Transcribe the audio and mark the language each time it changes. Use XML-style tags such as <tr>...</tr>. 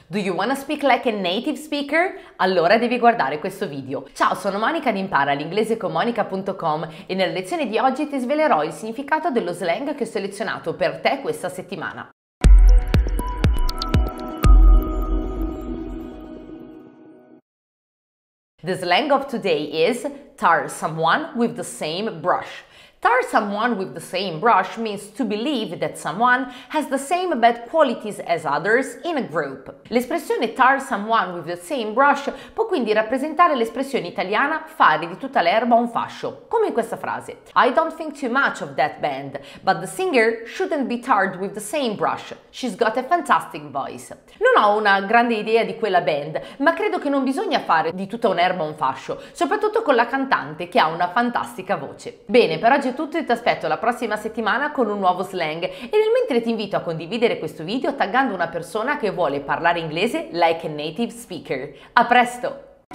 <en>Do you wanna speak like a native speaker?</en> <it>Allora devi guardare questo video. Ciao, sono Monica di Impara, l'inglese con monica.com e nella lezione di oggi ti svelerò il significato dello slang che ho selezionato per te questa settimana.</it> <en>The slang of today is tar someone with the same brush. Tar someone with the same brush means to believe that someone has the same bad qualities as others in a group.</en> <it>L'espressione</it> <en>tar someone with the same brush</en> <it>può quindi rappresentare l'espressione italiana fare di tutta l'erba un fascio, come in questa frase.</it> <en>I don't think too much of that band, but the singer shouldn't be tarred with the same brush. She's got a fantastic voice.</en> <it>Non ho una grande idea di quella band, ma credo che non bisogna fare di tutta un'erba un fascio, soprattutto con la cantante che ha una fantastica voce. Bene, però oggi è tutto e ti aspetto la prossima settimana con un nuovo slang e nel mentre ti invito a condividere questo video taggando una persona che vuole parlare inglese</it> <en>like a native speaker.</en> <it>A presto!</it>